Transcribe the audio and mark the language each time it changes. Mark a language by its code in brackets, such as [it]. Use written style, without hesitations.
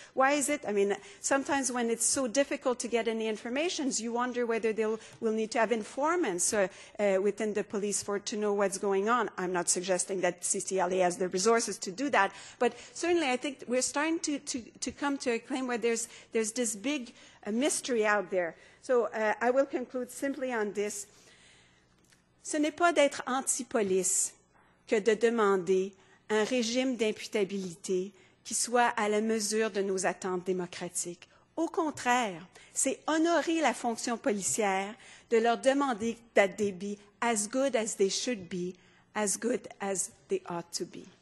[en] Why is it, I mean, sometimes when it's so difficult to get any information, you wonder whether they will need to have informants within the police force to know what's going on. I'm not suggesting that CCLA has the resources to do that, but certainly I think we're starting to come to a claim where there's this big mystery out there. So I will conclude simply on this. [fr] Ce n'est pas d'être anti-police que de demander un régime d'imputabilité qui soit à la mesure de nos attentes démocratiques. Au contraire, c'est honorer la fonction policière de leur demander [en] that they be as good as they should be, as good as they ought to be.